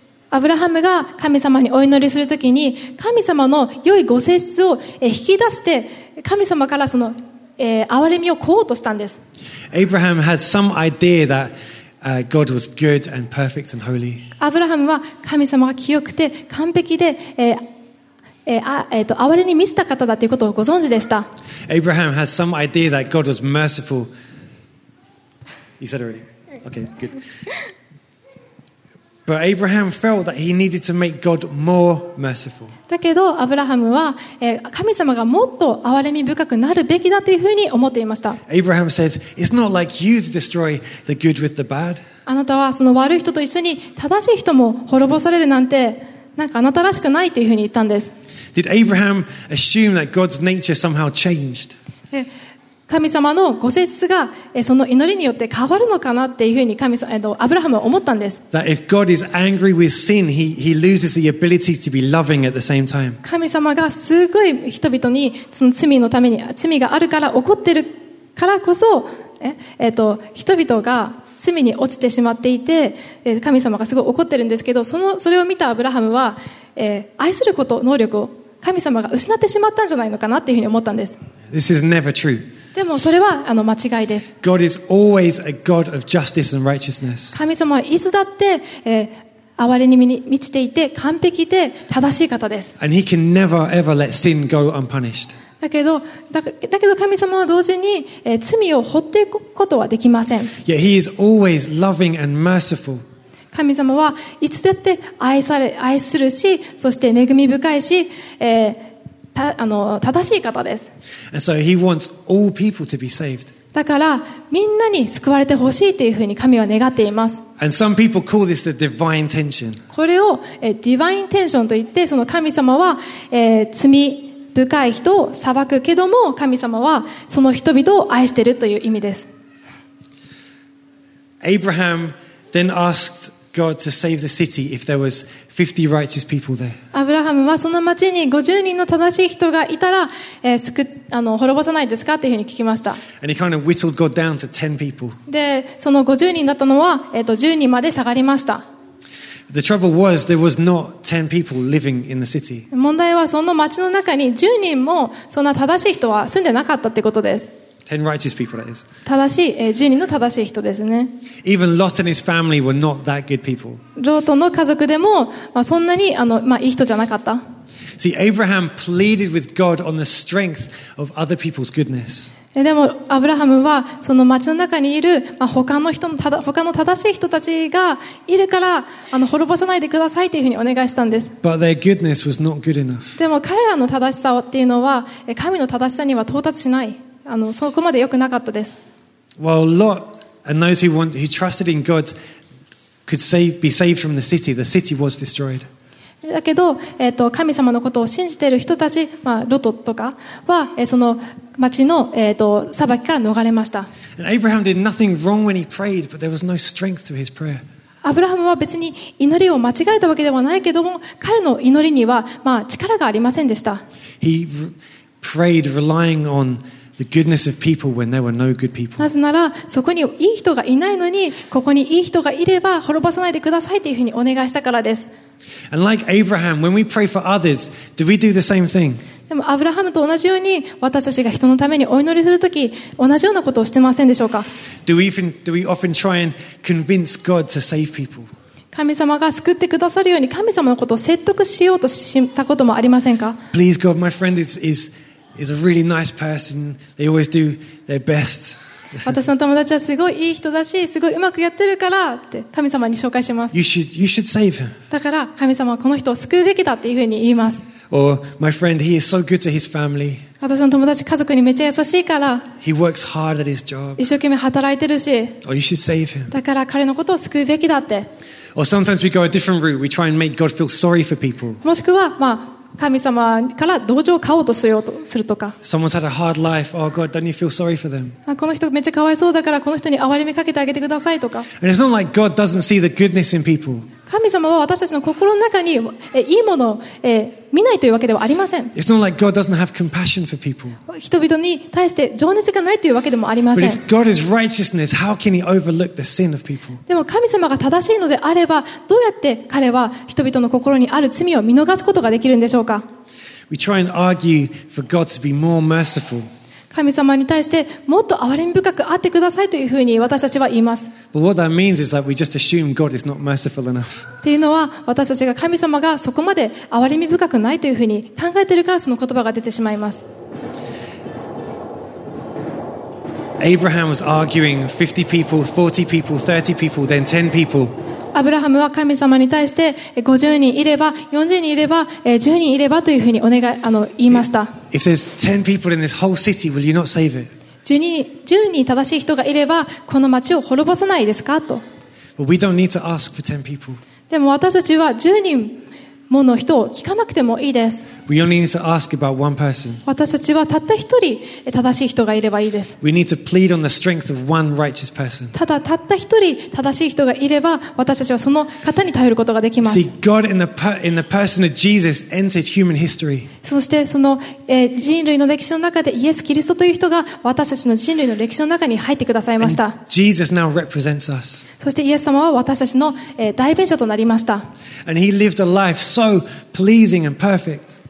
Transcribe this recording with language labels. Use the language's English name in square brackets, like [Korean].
[Japanese] アブラハムが神様にお祈りするときに、神様の良いご性質を引き出して、神様からその憐れみを請おうとしたんです。 [English] Abraham had some idea that God was good and perfect and holy. [Japanese] アブラハムは神様が清くて完璧で、憐れに満ちた方だということをご存知でした。 [English] Abraham has some idea that God was merciful. You said already. Okay, good. But Abraham felt that he needed to make God more merciful. [Japanese] だけどアブラハムは神様がもっと憐れみ深くなるべきだというふうに思っていました。 [English] Abraham says, "It's not like you to destroy the good with the bad." [Japanese] あなたはその悪い人と一緒に正しい人も滅ぼされるなんてなんかあなたらしくないというふうに言ったんです。 [English] Did Abraham assume that God's nature somehow changed? [Japanese] 神様のご性質がその祈りによって変わるのかなっていうふうに神様アブラハムは思ったんです。 [English] That if God is angry with sin, he loses the ability to be loving at the same time. [Japanese] 神様がすごい人々にその罪のために罪があるから怒ってるからこそ、人々が罪に落ちてしまっていて、神様がすごい怒ってるんですけど、それを見たアブラハムは、愛すること能力を神様が失ってしまったんじゃないのかなっていうふうに思ったんです。 [English] This is never true. [Japanese] でもそれは間違いです。 [English] God is always a God of justice and righteousness. [Japanese] 神様はいつだって、憐れに満ちていて完璧で正しい方です。 [English] And he can never ever let sin go unpunished. [Japanese] だけど神様は同時に、罪を放っていくことはできません。 [English] Yet he is always loving and merciful. [Japanese] 神様はいつだって愛するし、そして恵み深いし、正しい方です。 [English] And so he wants all people to be saved. [Japanese] だからみんなに救われてほしいというふうに神は願っています。 [English] And some people call this the divine tension. [Japanese] これを、ディヴァインテンションといって、その神様は、罪深い人を裁くけども、神様はその人々を愛しているという意味です。 [English] Abraham then askedGod to save the city if there was 50 righteous people there. [Japanese] アブラハムはその町に50人の正しい人がいたら、滅ぼさないですかというふうに聞きました。 [English] And he kind of whittled God down to 10 people. [Japanese] で、その50人だったのは、10人まで下がりました。 [English] The trouble was there was not 10 people living in the city. [Japanese] 問題はその町の中に10人もそんな正しい人は住んでなかったってことです。 [English] 10 righteous people, that is. [Japanese] 正しい、10人の正しい人ですね。 [English] Even Lot and his family were not that good people. [Japanese] ロートの家族でも、まあ、そんなに、いい人じゃなかった。 [English] See, Abraham pleaded with God on the strength of other people's goodness. [Japanese] でもアブラハムはその町の中にいる他の人の他の正しい人たちがいるから滅ぼさないでくださいというふうにお願いしたんです。 [English] But their goodness was not good enough. [Japanese] でも彼らの正しさっていうのは神の正しさには到達しない。そこまで良くなかったです。 [English] While Lot and those who trusted in God could be saved from the city was destroyed. [Japanese] だけど、神様のことを信じている人たち、ロトとかは、その町の、裁きから逃れました。アブラハムは何も悪いことはなかったが、でも、アブラハムは別に祈りを間違えたわけではないけども、彼の祈りには、力がありませんでした。 [English] He prayed relying onThe goodness of people when there were no good people. [Japanese] なぜならそこにいい人がいないのにここにいい人がいれば滅ぼさないでくださいというふうにお願いしたからです。 [English] And like Abraham, when we pray for others, do we do the same thing? [Japanese] でもアブラハムと同じように私たちが人のためにお祈りするとき同じようなことをしてませんでしょうか。 [English] Do we often try and convince God to save people? [Japanese] 神様が救ってくださるように神様のことを説得しようとしたこともありませんか。 [English] Please God, my friend is a really nice person. They always do their best. [Japanese] 私の友達はすごいいい人だし、すごいうまくやってるからって神様に紹介します。 [English] You should save him. [Japanese] だから神様はこの人を救うべきだっていうふうに言います。 [English] Or my friend, he is so good to his family. [Japanese] 私の友達家族にめっちゃ優しいから。 [English] He works hard at his job. [Japanese] 一生懸命働いてるし。 [English] Or you should save him. [Japanese] だから彼のことを救うべきだって。 [English] Or sometimes we go a different route. We try and make God feel sorry for people. [Japanese] もしくは神様から同情を買おうとするよとするとか。 [English] Someone's had a hard life. Oh God, don't you feel sorry for them? [Japanese] この人めっちゃかわいそうだからこの人に憐れみかけてあげてくださいとか。 [English] And it's not like God doesn't see the goodness in people. [Japanese] 神様は私たちの心の中にいいものを見ないというわけではありません。 [English] It's not like God doesn't have compassion for people. [Japanese] 人々に対して情熱がないというわけでもありません。 [English] But if God is righteousness, how can he overlook the sin of people? [Japanese] でも神様が正しいのであればどうやって彼は人々の心にある罪を見逃すことができるんでしょうか。 [English] We try and argue for God to be more merciful. [Japanese] 神様に対してもっと憐れみ深くあってくださいというふうに私たちは言います。 [English] But what that means is that we just assume God is not merciful enough. [Japanese] っていうのは私たちが神様がそこまで憐れみ深くないというふうに考えているからその言葉が出てしまいます。 [English] Abraham was arguing 50 people, 40 people, 30 people, then 10 people. [Japanese] アブラハムは神様に対して50人いれば40人いれば10人いればというふうにお願い言いました。 [English] If there's 10 people in this whole city, will you not save it? [Japanese] 10人正しい人がいればこの町を滅ぼさないですかと。 [English] But we don't need to ask for 10 people. [Japanese] でも私たちは10人もの人を聞かなくてもいいです。 [English] We only need to ask about one person. [Japanese] 私たちはたった一人正しい人がいればいいです。 [English] We need to plead on the strength of one righteous person. [Japanese] ただたった一人正しい人がいれば、私たちはその方に頼ることができます。 [English] See, God in the person of Jesus entered human history. [Japanese] そしてその人類の歴史の中でイエス・キリストという人が私たちの人類の歴史の中に入ってくださいました。 [English] And Jesus now represents us. [Japanese] そしてイエス様は私たちの代弁者となりました。 [English] And he lived a life so pleasing and perfect.